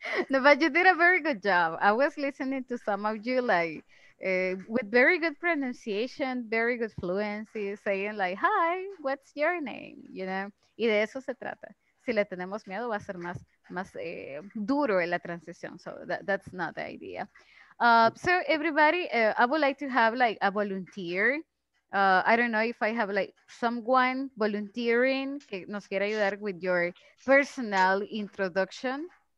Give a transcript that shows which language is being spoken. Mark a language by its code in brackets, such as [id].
[en] No, but you did a very good job. I was listening to some of you like with very good pronunciation, very good fluency, saying like, hi, what's your name? You know? [es] Y de eso se trata. Si le tenemos miedo, va a ser más duro en la transición. [en] So that's not the idea. So everybody, I would like to have like a volunteer. I don't know if I have like someone volunteering [es] que nos quiera ayudar [en] with your personal introduction.